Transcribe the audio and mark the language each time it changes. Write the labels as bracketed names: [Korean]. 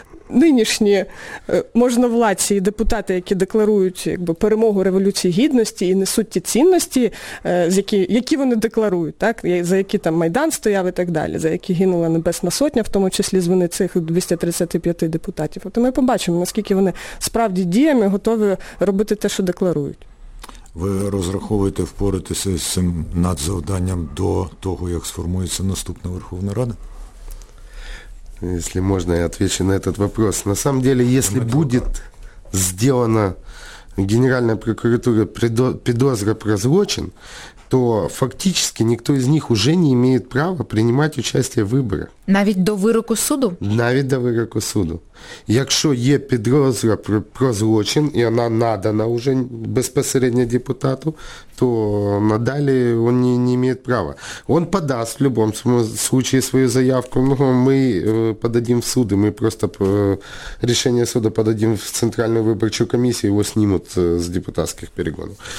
[Ukrainian] нинішні можновладці і депутати, які декларують якби перемогу Революції Гідності і несуть ті цінності, які вони декларують, так, за які там Майдан стояв і так далі, за які гинула Небесна Сотня, в тому числі з вини цих 235 депутатів. От ми побачимо, наскільки вони справді діями готові робити те, що декларують. Ви розраховуєте впоратися з цим надзавданням до того, як сформується наступна Верховна Рада? [Russian] Если можно, я отвечу на этот вопрос. На самом деле, если будет сделана Генеральная прокуратура подозра прозрачен, то фактически никто из них уже не имеет права принимать участие в выборах. [Ukrainian] Навіть до вироку суду? Навіть до вироку суду. Якщо є підозра про злочин, і вона надана вже безпосередньо депутату, то надалі він не має права. Він подасть в будь-якому випадку свою заявку, ну, ми подадим в суди, ми просто рішення суду подадим в Центральну виборчу комісію, його знімуть з депутатських перегонів.